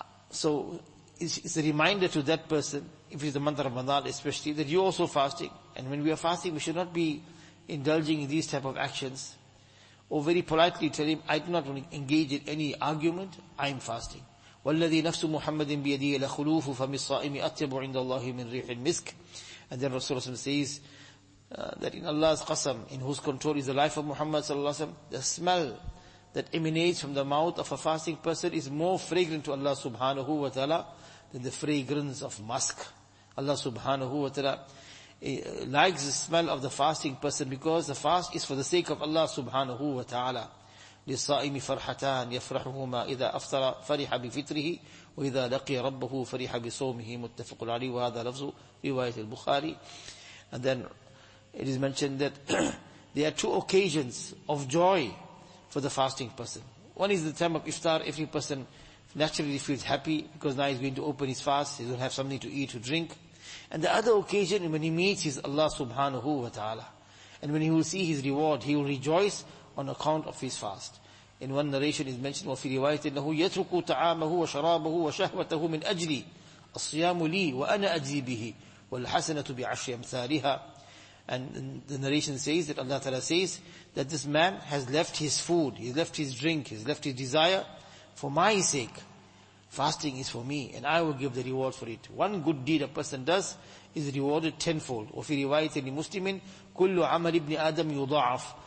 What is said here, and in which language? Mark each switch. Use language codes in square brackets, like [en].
[en] So it's a reminder to that person, if it's the month of Ramadan especially, that you're also fasting. And when we are fasting, we should not be indulging in these type of actions. Or very politely tell him, I do not want to engage in any argument, I am fasting. [ar] والذي نفس محمد بيده لخلوف فم الصائم أطيب عند الله من ريح المسك. [en] And then Rasulullah says that in Allah's qasam, in whose control is the life of Muhammad sallallahu alaihi wasallam, the smell that emanates from the mouth of a fasting person is more fragrant to Allah subhanahu wa ta'ala than the fragrance of musk. Allah subhanahu wa ta'ala likes the smell of the fasting person because the fast is for the sake of Allah subhanahu wa ta'ala. [ar] لِلصَّائِمِ فَرْحَتَانِ يَفْرَحُهُمَا إِذَا أَفْطَرَ فَرِحَ بِفِطْرِهِ وَإِذَا لَقِيَ رَبَّهُ فَرِحَ بِصَوْمِهِ مُتَّفَقٌ عَلَيْهِ وَهَذَا لَفْظُ رِوَايَةِ الْبُخَارِي. [en] And then it is mentioned that there are two occasions of joy for the fasting person. One is the time of iftar. Every person naturally feels happy because now he's going to open his fast. He's going to have something to eat, to drink. And the other occasion when he meets his Allah subhanahu wa ta'ala. And when he will see his reward, he will rejoice on account of his fast. In one narration is mentioned, [ar] وَفِي رِوَايَةِ إِنَّهُ يَتْرُكُ تَعَامَهُ وَشَرَابَهُ وَشَهْوَتَهُ مِنْ أَجْلِي الصِّيَامُ لِي وَأَنَا أَجْلِي بِهِ وَالْحَسَنَةُ بِعَشْرِ أَمْثَالِهَا. [en] And the narration says that Allah Ta'ala says that this man has left his food, he's left his drink, he's left his desire for my sake. Fasting is for me and I will give the reward for it. One good deed a person does is rewarded tenfold. [ar] وَفِي رِوَايَةِ لِمُسْلِمٍ كُلُّ عَمَلِ ابْنِ آدَمْ يُضَاعَفْ.